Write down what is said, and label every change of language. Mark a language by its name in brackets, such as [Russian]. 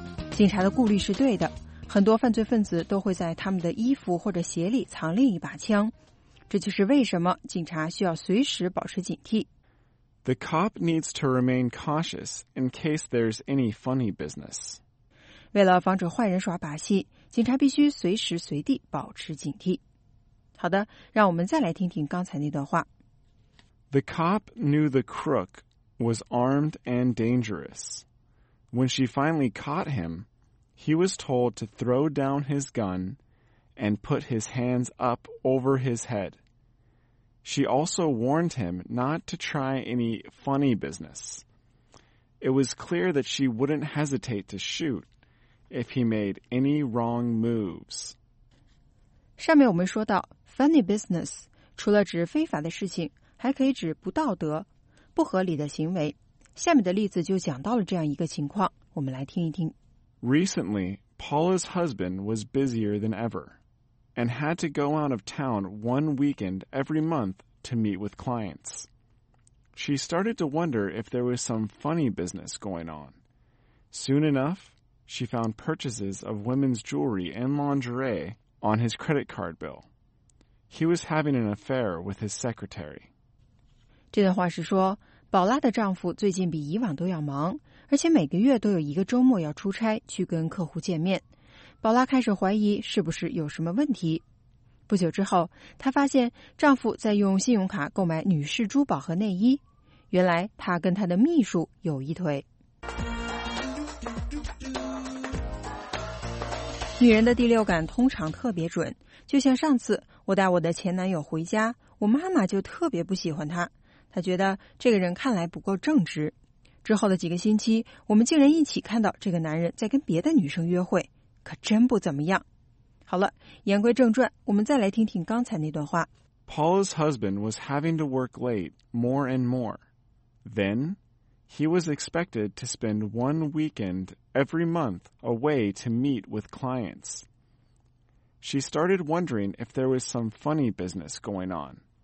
[Chinese] 警察的顾虑是对的，很多犯罪分子都会在他们的衣服或者鞋里藏另一把枪，这就是为什么警察需要随时保持警惕。 [English] The cop needs to remain cautious in case there's any funny business. [Chinese] 为了防止坏人耍把戏，警察必须随时随地保持警惕。好的，让我们再来听听刚才那段话。 [English] The cop knew the crook was armed and dangerous. When she finally caught him, he was told to throw down his gun and put his hands up over his head. She also warned him not to try any funny business. It was clear that she wouldn't hesitate to shoot if he made any wrong moves. [Chinese] 上面我们说到 funny business 除了指非法的事情，还可以指不道德、不合理的行为。下面的例子就讲到了这样一个情况，我们来听一听。 [English] Recently, Paula's husband was busier than ever and had to go out of town one weekend every month to meet with clients. She started to wonder if there was some funny business going on. Soon enough, she found purchases of women's jewelry and lingerie on his credit card bill. He was having an affair with his secretary. [Chinese] 这段话是说，宝拉的丈夫最近比以往都要忙，而且每个月都有一个周末要出差去跟客户见面。宝拉开始怀疑是不是有什么问题。不久之后，她发现丈夫在用信用卡购买女士珠宝和内衣。原来她跟她的秘书有一腿。女人的第六感通常特别准，就像上次我带我的前男友回家，我妈妈就特别不喜欢他，她觉得这个人看来不够正直。之后的几个星期，我们竟然一起看到这个男人在跟别的女生约会，可真不怎么样。好了，言归正传，我们再来听听刚才那段话。 [English] Paula's husband was having to work late more and more. Then, he was expected to spend one weekend every month away to meet with clients. She started wondering if there was some funny business going on.